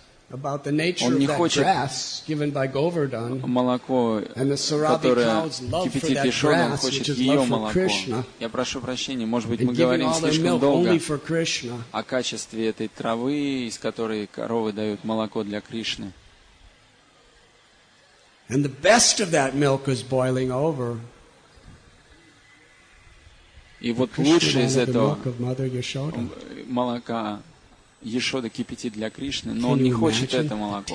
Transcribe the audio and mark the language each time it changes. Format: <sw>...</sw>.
<en>About the nature of that grass given by Govardhan,</en> <ru>молоко,</ru> <en>and the Sarabi cow's love for that grass, which is love for Krishna.</en> <ru>Я прошу прощения, может быть, мы говорим слишком долго о качестве этой травы, из которой коровы дают молоко для Кришны.</ru> <en>And the best of that milk is boiling over.</en> <ru>И вот лучшее из этого молока Яшода кипятит для Кришны, но он не хочет это молоко.</ru>